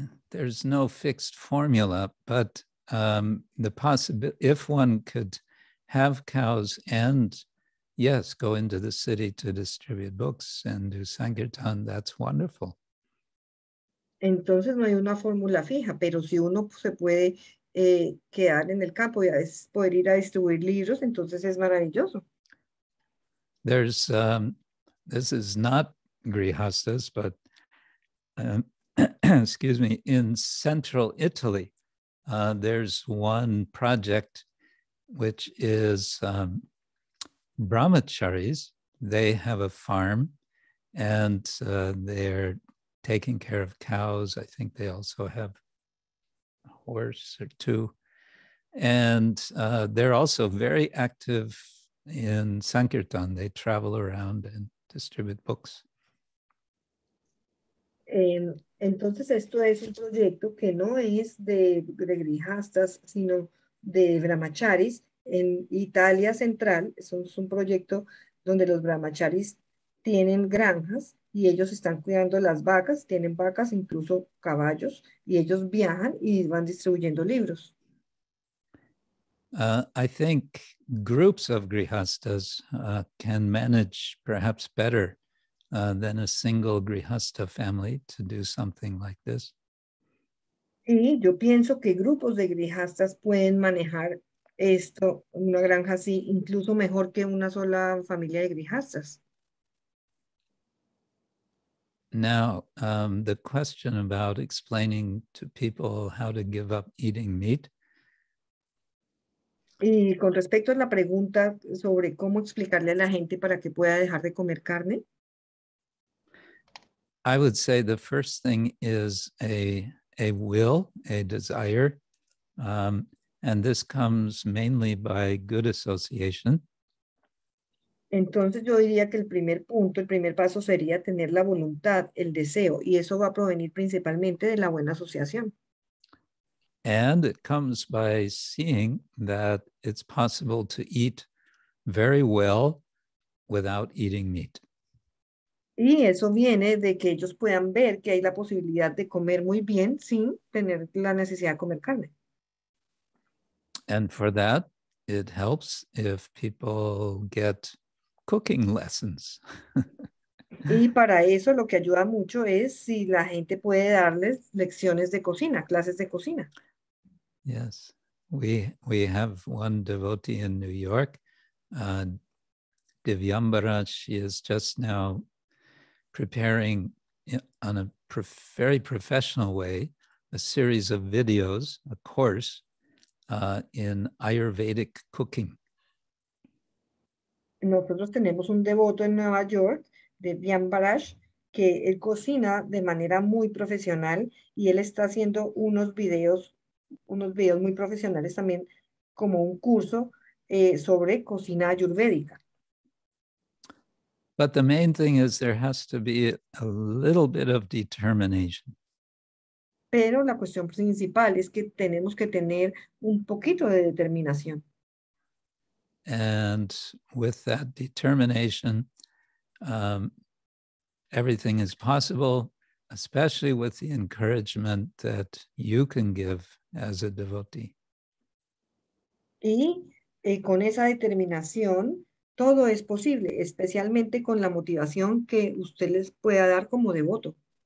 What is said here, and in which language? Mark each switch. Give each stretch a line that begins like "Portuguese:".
English: There's no fixed formula, but the possibility, if one could have cows and, yes, go into the city to distribute books and do Sankirtan, that's wonderful.
Spanish: Entonces no hay una fórmula fija, pero si uno se puede quedar en el campo y poder ir a distribuir libros, entonces es maravilloso.
English: This is not Grihastas, but excuse me, in central Italy, there's one project which is brahmacharis. They have a farm and they're taking care of cows. I think they also have a horse or two. And they're also very active in Sankirtan. They travel around and distribute books.
Spanish: Entonces esto es un proyecto que no es de grihastas, sino de brahmacharis en Italia central. Es un proyecto donde los brahmacharis tienen granjas y ellos están cuidando las vacas, tienen vacas, incluso caballos, y ellos viajan y van distribuyendo libros.
English: I think groups of grihastas can manage perhaps better than a single grihasta family to do something like this.
Spanish: Sí, yo pienso que grupos de grihastas pueden manejar esto, una granja así, incluso mejor que una sola familia de grihastas.
English: Now, the question about explaining to people how to give up eating meat.
Spanish: Y con respecto a la pregunta sobre cómo explicarle a la gente para que pueda dejar de comer carne.
English: I would say the first thing is a will, a desire, and this comes mainly by good association.
Spanish: Entonces yo diría que el primer punto, el primer paso sería tener la voluntad, el deseo, y eso va a provenir principalmente de la buena asociación.
English: And it comes by seeing that it's possible to eat very well without eating meat.
Spanish: Y eso viene de que ellos puedan ver que hay la posibilidad de comer muy bien sin tener la necesidad de comer carne.
English: And for that, it helps if people get cooking lessons.
Spanish: Y para eso lo que ayuda mucho es si la gente puede darles lecciones de cocina, clases de cocina.
English: Yes, we have one devotee in New York, Divyambara. She is just now preparing on a very professional way a series of videos, a course in Ayurvedic cooking.
Spanish: Nosotros tenemos un devoto en Nueva York, de Vian Barash, que él cocina de manera muy profesional y él está haciendo unos videos muy profesionales también, como un curso sobre cocina ayurvédica.
English: But the main thing is there has to be a little bit of determination.
Spanish: Pero la cuestión principal es que tenemos que tener un poquito de determinación.
English: And with that determination, everything is possible, especially with the encouragement that you can give as a devotee.
Spanish: Y con esa determinación, todo es posible, especialmente con la motivación que usted les pueda dar como devoto.